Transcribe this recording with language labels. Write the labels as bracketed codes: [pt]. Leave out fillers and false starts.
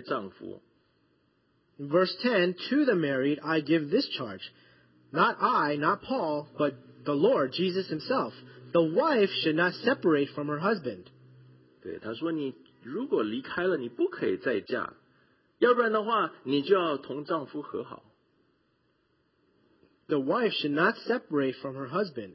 [zh] 这不但是他所说的，他特别讲了，主耶稣基督的教导里面有很清楚的说到了什么呢？妻子不可离开丈夫。Verse [en] 10, to the married, I give this charge, not I, not Paul, but the Lord Jesus Himself. The wife should not separate from her husband. [zh] 对，他说你如果离开了，你不可以再嫁，要不然的话，你就要同丈夫和好。 [en] The wife should not separate from her husband.